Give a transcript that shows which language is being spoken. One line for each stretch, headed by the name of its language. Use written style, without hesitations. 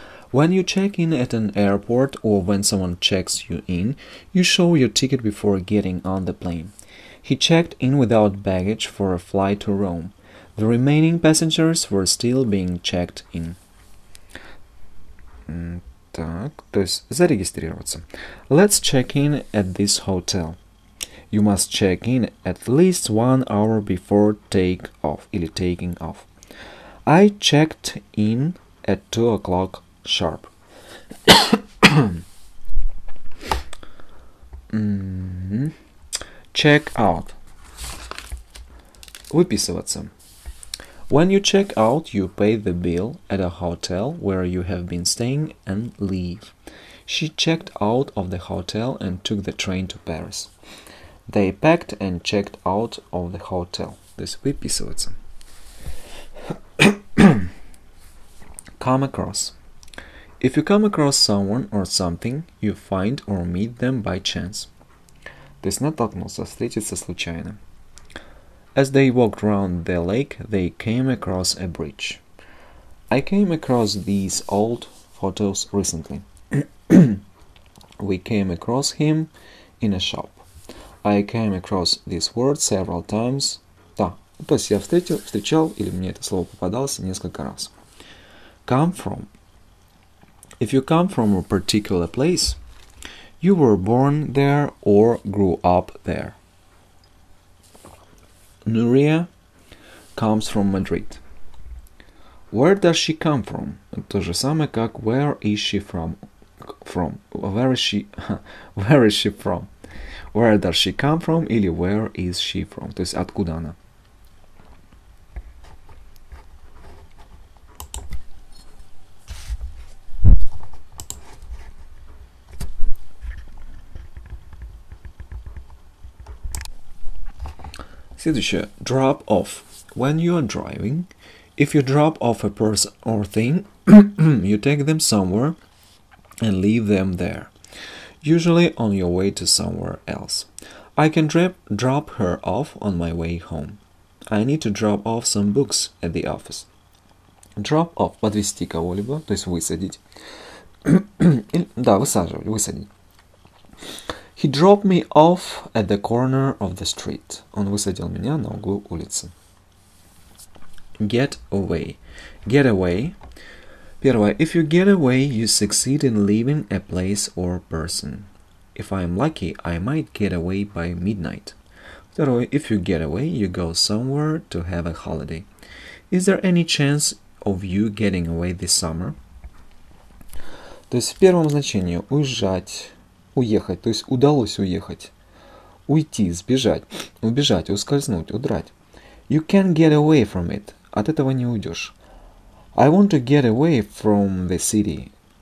English: When you check in at an airport or when someone checks you in, you show your ticket before getting on the plane. He checked in without baggage for a flight to Rome. The remaining passengers were still being checked in.
Russian: Так, то есть зарегистрироваться.
English: Let's check in at this hotel. You must check in at least 1 hour before take off,
Russian: или
English: taking off. I checked in at 2 o'clock. Sharp. Check out.
Russian: Выписываться.
English: When you check out, you pay the bill at a hotel where you have been staying and leave. She checked out of the hotel and took the train to Paris. They packed and checked out of the hotel. This
Russian: выписываться.
English: Come across. If you come across someone or something, you find or meet them by chance.
Russian: То есть натолкнулся, встретиться случайно.
English: As they walked round the lake, they came across a bridge. I came across these old photos recently. We came across him in a shop. I came across this word several times.
Russian: Да, то есть я встречал, или мне это слово попадалось несколько раз.
English: Come from. If you come from a particular place, you were born there or grew up there. Nuria comes from Madrid. Where does she come from?
Russian: То же самое, как
English: where is she from? From. Where is she from? Where does she come from?
Russian: Или
English: where is she from?
Russian: То есть, откуда она? Следующее.
English: Drop off. When you are driving, if you drop off a purse or thing, you take them somewhere and leave them there, usually on your way to somewhere else. I can drop her off on my way home. I need to drop off some books at the office. Drop off.
Russian: Подвести кого-либо, то есть высадить. Да, высаживать, высадить.
English: He dropped me off at the corner of the street.
Russian: Он высадил меня на углу улицы.
English: Get away. Get away.
Russian: Первое.
English: If you get away, you succeed in leaving a place or person. If I'm lucky, I might get away by midnight.
Russian: Второе.
English: If you get away, you go somewhere to have a holiday. Is there any chance of you getting away this summer?
Russian: То есть в первом значении уезжать. Уехать, то есть удалось уехать. Уйти, сбежать. Убежать, ускользнуть, удрать.
English: You can't get away from it.
Russian: От этого не уйдешь.
English: I want to get away from the city.